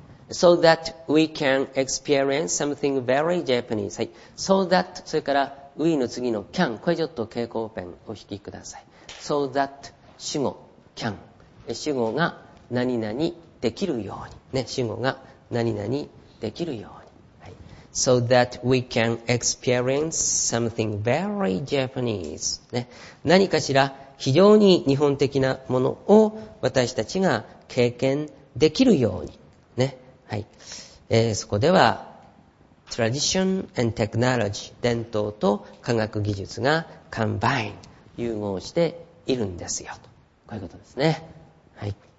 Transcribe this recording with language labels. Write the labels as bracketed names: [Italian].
[English] So that we can experience something very Japanese. [Japanese] はい。 [English] So that, [Japanese] それから we の次の can. これちょっと蛍光ペンを引きください。 [English] So that, [Japanese] 主語 can. 主語が何々できるように。ね。主語が何々できるように。はい。 [English] So that we can experience something very Japanese. [Japanese] ね。何かしら非常に日本的なものを私たちが経験できるように。ね。はい、そこでは [English] tradition and technology [Japanese] 伝統と科学技術が combine 融合しているんですよとこういうことですね、はい、